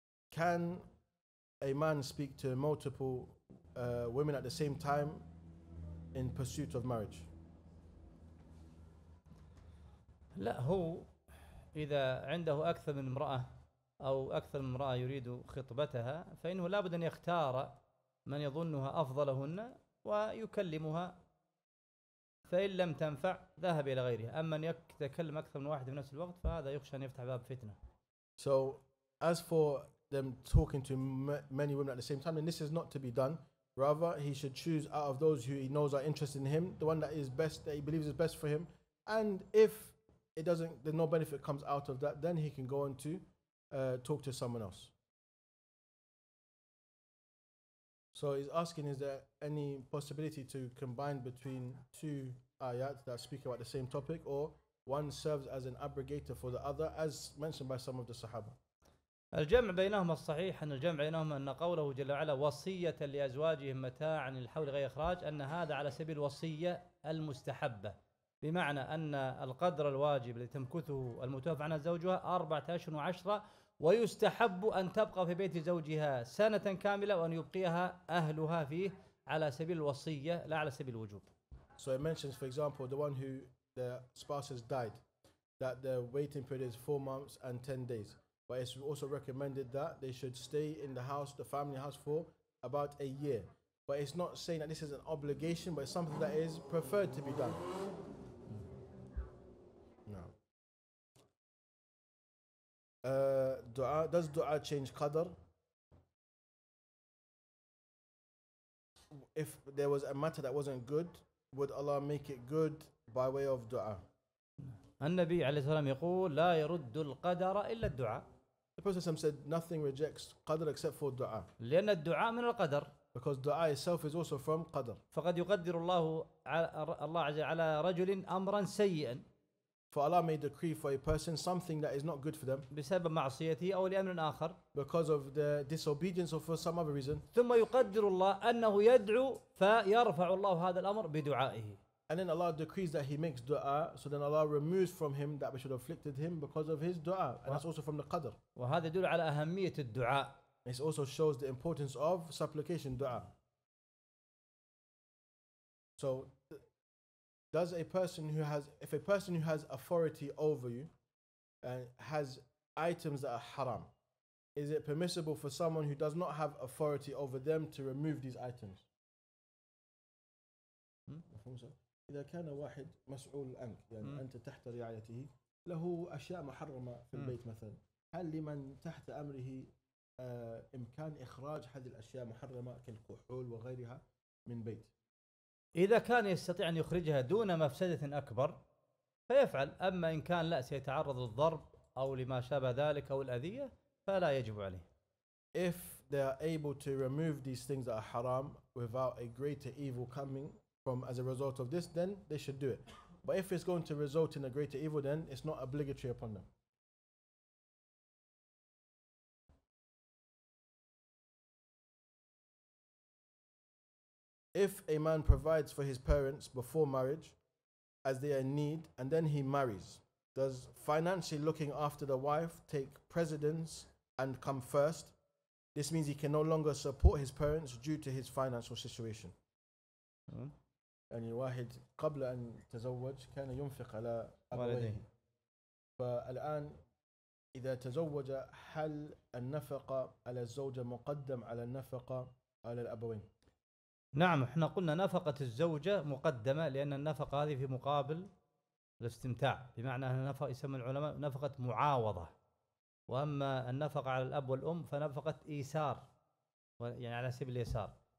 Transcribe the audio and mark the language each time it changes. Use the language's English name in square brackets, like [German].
[English] Can a man speak to multiple women at the same time in pursuit of marriage? [Arabic] لا, هو إذا عنده أكثر من امرأة أو أكثر من امرأة يريد خطبتها فإنه لابد أن يختار من يظنها أفضلهن ويكلمها, فإن لم تنفع ذهب إلى غيرها. أما أن يتكلم أكثر من واحد في نفس الوقت فهذا يخشى أن يفتح باب فتنة. [English] So as for them talking to many women at the same time, and this is not to be done, Rather, he should choose out of those who he knows are interested in him, the one that is best, that he believes is best for him. And if it doesn't, then no benefit comes out of that, then he can go on to talk to someone else. So he's asking, is there any possibility to combine between two ayats that speak about the same topic, or one serves as an abrogator for the other, as mentioned by some of the Sahaba? [Arabic] الجمع بينهما الصحيح أن الجمع بينهما أن قوله جل وعلا وصية لأزواجهم متاع عن الحول غير إخراج أن هذا على سبيل الوصية المستحبة، بمعنى أن القدر الواجب الذي تمكثه المتوفى عنها زوجها 14 و10، ويستحب أن تبقى في بيت زوجها سنة كاملة وأن يبقيها أهلها فيه على سبيل الوصية لا على سبيل الوجوب. [English] So it mentions, for example, the one who the spouse has died, that the waiting period is 4 months and 10 days. But it's also recommended that they should stay in the house, the family house, for about a year. But it's not saying that this is an obligation, but it's something that is preferred to be done. No. Dua, does dua change qadr? If there was a matter that wasn't good, would Allah make it good by way of dua? [Arabic] النبي عليه السلام يقول لا يرد القدر إلا الدعاء. [English] The Prophet said nothing rejects qadr except for dua. [Arabic] لأن الدعاء من القدر. [English] Because dua itself is also from qadr. [Arabic] فقد يقدر الله الله عز على رجل أمرا سيئا. [English] For Allah may decree for a person something that is not good for them. [Arabic] بسبب معصيته أو لأمر آخر. [English] Because of the disobedience or for some other reason. [Arabic] ثم يقدر الله أنه يدعو فيرفع الله هذا الأمر بدعائه. [English] And then Allah decrees that he makes dua, so then Allah removes from him that which had afflicted him because of his dua. And that's also from the qadr. [Arabic] وهذا يدل على أهمية الدعاء. [English] This also shows the importance of supplication, dua. So, does a person who has, if a person who has authority over you and has items that are haram, is it permissible for someone who does not have authority over them to remove these items? [Arabic] إذا كان واحد مسؤول عنك يعني أنت تحت رعايته له أشياء محرمة في البيت مثلا، هل لمن تحت أمره إمكان إخراج هذه الأشياء محرمة كالكحول وغيرها من بيت؟ إذا كان يستطيع أن يخرجها دون مفسدة أكبر فيفعل، أما إن كان لا سيتعرض للضرب أو لما شابه ذلك أو الأذية فلا يجب عليه. [English] If they are able to remove these things that are haram without a greater evil coming from as a result of this, then they should do it. But if it's going to result in a greater evil, then it's not obligatory upon them. If a man provides for his parents before marriage, as they are in need, and then he marries, does financially looking after the wife take precedence and come first? This means he can no longer support his parents due to his financial situation. [Arabic] يعني واحد قبل أن تزوج كان ينفق على أبويه، فالآن إذا تزوج هل النفقة على الزوجة مقدم على النفقة على الأبوين؟ نعم، إحنا قلنا نفقة الزوجة مقدمة لأن النفقة هذه في مقابل الاستمتاع، بمعنى أن نفقة يسمى العلماء نفقة معاوضة، وأما النفقة على الأب والأم فنفقة إيسار، يعني على سبيل اليسار.